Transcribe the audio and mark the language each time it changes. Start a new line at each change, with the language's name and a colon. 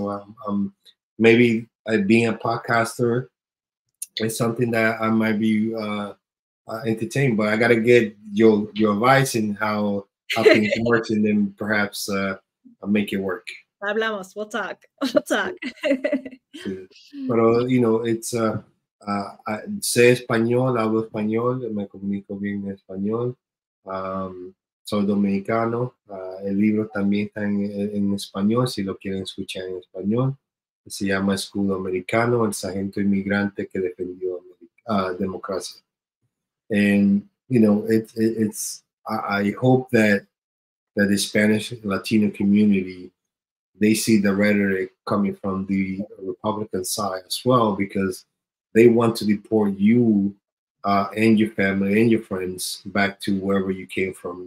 English: So being a podcaster is something that I might be entertained, but I got to get your advice and how things work, and then perhaps I'll make it work.
Spanish: Hablamos.
English: We'll talk. But, you know, it's...
Spanish: sé español, hablo español, me comunico bien en español, soy dominicano, el libro también está en español, si lo quieren escuchar en español, se llama Escudo Americano, el sargento inmigrante que defendió democracia.
English: And, you know, I hope that that the Spanish Latino community, they see the rhetoric coming from the Republican side as well, because they want to deport you and your family and your friends back to wherever you came from.